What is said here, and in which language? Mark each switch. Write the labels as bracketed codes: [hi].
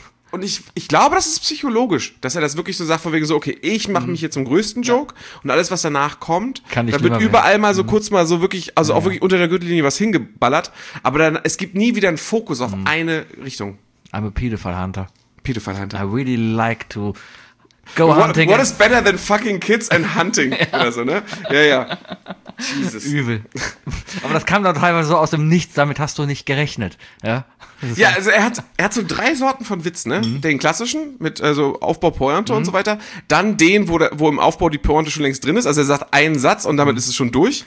[de] Und ich glaube, das ist psychologisch, dass er das wirklich so sagt, von wegen so, okay, ich mache mich jetzt zum größten Joke und alles, was danach kommt, da wird überall mal so kurz mal so wirklich, also auch wirklich unter der Gürtellinie was hingeballert, aber dann, es gibt nie wieder einen Fokus auf eine Richtung. [en] I'm a pedophile hunter. Pedophile hunter. I really like to go hunting. What is better than fucking kids and hunting? [de] Oder so, ne? Ja. Jesus. Übel. Aber das kam dann teilweise so aus dem Nichts, damit hast du nicht gerechnet, ja? Ja, also er hat so 3 Sorten von Witz, ne? Den klassischen mit also Aufbau, Pointe und so weiter. Dann den, wo im Aufbau die Pointe schon längst drin ist. Also er sagt einen Satz und damit ist es schon durch.